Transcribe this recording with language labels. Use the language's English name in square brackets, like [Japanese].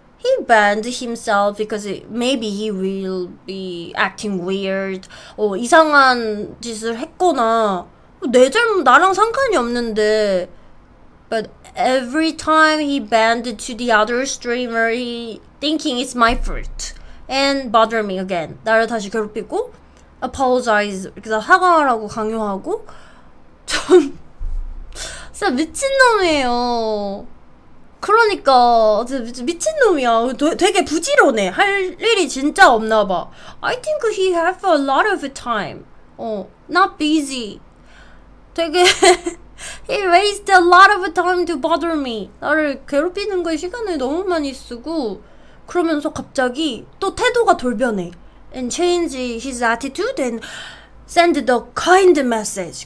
[English] He banned himself because maybe he will be acting weird. [Korean] 이상한 짓을 했거나 내 잘못 나랑 상관이 없는데. [English] But every time he banned to the other streamer, he thinking it's my fault and bother me again. [Korean] 나를 다시 괴롭히고 apologize 그래서 사과하라고 강요하고 좀 진짜 미친놈이에요. 그러니까 진짜 미친놈이야. 되게 부지런해. 할 일이 진짜 없나 봐. [English] I think he have a lot of time. Not busy. 되게 he waste a lot of time to bother me. [Korean] 나를 괴롭히는 거에 시간을 너무 많이 쓰고 그러면서 갑자기 또 태도가 돌변해. [English] And change his attitude and send the kind message.